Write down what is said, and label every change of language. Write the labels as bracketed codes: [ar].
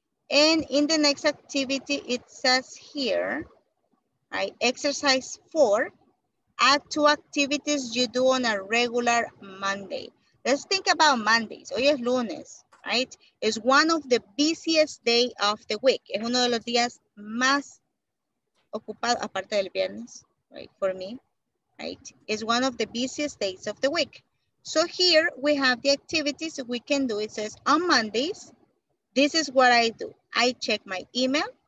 [en] And in the next activity, it says here, right, exercise four, add two activities you do on a regular Monday. Let's think about Mondays. Hoy es lunes, right? It's one of the busiest day of the week. [es] Es uno de los días más ocupados, aparte del viernes, right, for me. [en] Right, it's one of the busiest days of the week. So here we have the activities we can do. It says on Mondays, this is what I do. I check my email,